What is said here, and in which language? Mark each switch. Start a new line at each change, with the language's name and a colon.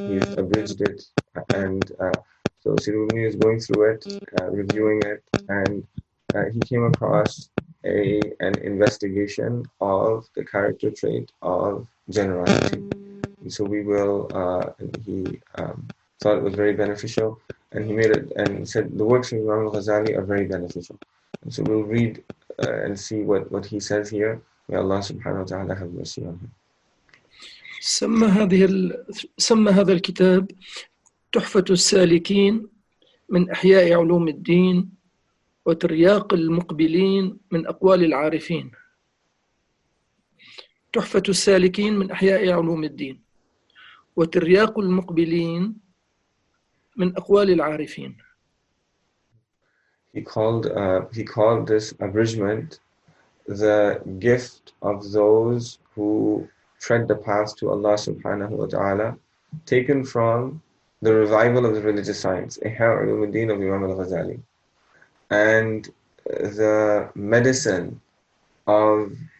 English: He's abridged it, and so Sheikh Rahman is going through it, reviewing it, and he came across an investigation of the character trait of generosity. And so we will. He thought it was very beneficial, and he made it and said the works of Imam al-Ghazali are very beneficial. And so we'll read and see what he says here. May Allah subhanahu wa ta'ala have mercy on him.
Arabic: سمى هذا الكتاب تحفة السالكين من أحياء علوم الدين وترياق المقبلين من أقوال العارفين. تحفة السالكين من أحياء علوم الدين وترياق المقبلين من أقوال العارفين.
English: He called this abridgment the gift of those who tread the path to Allah subhanahu wa ta'ala, taken from the revival of the religious science, Ihya Ulumuddin of Imam al-Ghazali, and the medicine of